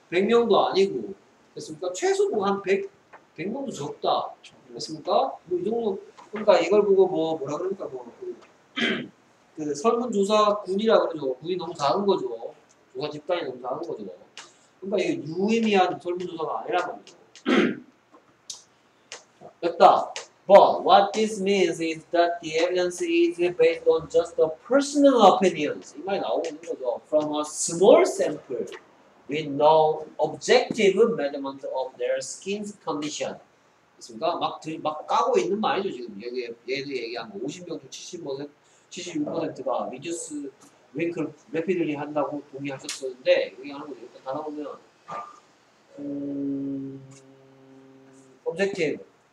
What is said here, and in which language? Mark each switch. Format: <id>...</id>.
<ko>100명도 아니고, 됐습니까? 최소 뭐 한 100명도 적다. 됐습니까? 뭐 이 정도, 그러니까 이걸 보고 뭐라 그럽니까? 뭐, 그 설문조사 군이라 그러죠. 군이 너무 작은 거죠. 조사 집단이 너무 작은 거죠. 그러니까 이게 유의미한 설문조사가 아니란 말이죠. 됐다.</ko> <en>But what this means is that the evidence is based on just a personal opinions.</en> <ko>이 말이 나오고 있는 거죠.</ko> <en>From a small sample with no objective measurement of their skin condition.</en> <ko>그러니까 막 까고 있는 말이죠. 지금 얘도 얘기한 거. 50명도 76%가</ko> <en>reduce wrinkle rapidly</en> <ko>한다고 동의하셨었는데 얘기하는 거죠. 일단 다 나오면 objective.</ko>